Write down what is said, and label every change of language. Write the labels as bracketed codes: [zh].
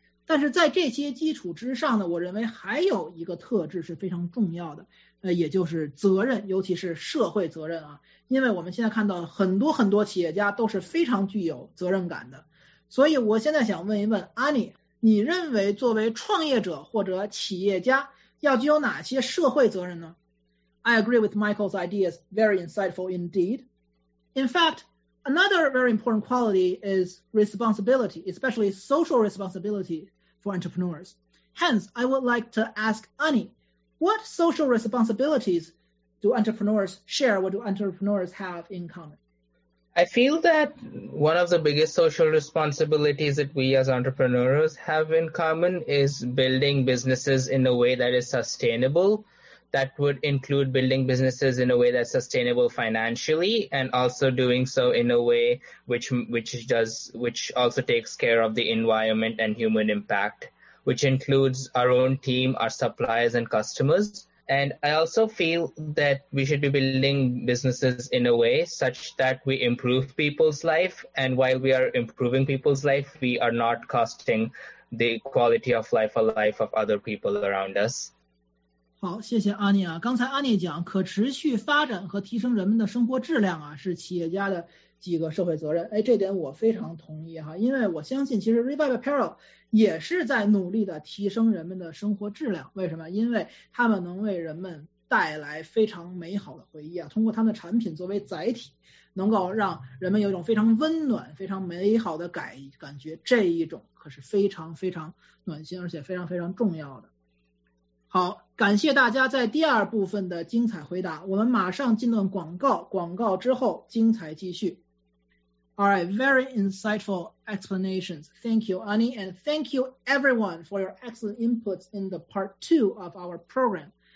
[zh] 但是在这些基础之上呢，我认为还有一个特质是非常重要的，也就是责任，尤其是社会责任啊。因为我们现在看到很多很多企业家都是非常具有责任感的。所以我现在想问一问 Ani， 你认为作为创业者或者企业家要具有哪些社会责任呢？ [en] I agree with Michael's ideas, very insightful indeed. In fact, another very important quality is responsibility, especially social responsibility for entrepreneurs. Hence, I would like to ask Ani, what social responsibilities do entrepreneurs share, what do entrepreneurs have in common? I feel that one of the biggest social responsibilities that we as entrepreneurs have in common is building businesses in a way that is sustainable. That would include building businesses in a way that's sustainable financially and also doing so in a way which also takes care of the environment and human impact, which includes our own team, our suppliers and customers. And I also feel that we should be building businesses in a way such that we improve people's life. And while we are improving people's life, we are not costing the quality of life or life of other people around us. [zh] 好，谢谢阿妮啊。刚才阿妮讲，可持续发展和提升人们的生活质量啊，是企业家的几个社会责任。哎，这点我非常同意哈，因为我相信其实 Revive Apparel 也是在努力的提升人们的生活质量。为什么？因为他们能为人们带来非常美好的回忆啊，通过他们的产品作为载体，能够让人们有一种非常温暖、非常美好的感觉，这一种可是非常非常暖心，而且非常非常重要的。好，感谢大家在第二部分的精彩回答，我们马上进段广告，广告之后精彩继续。 [en] All right, very insightful explanations. Thank you, Ani, and thank you everyone for your excellent inputs in the part two of our program.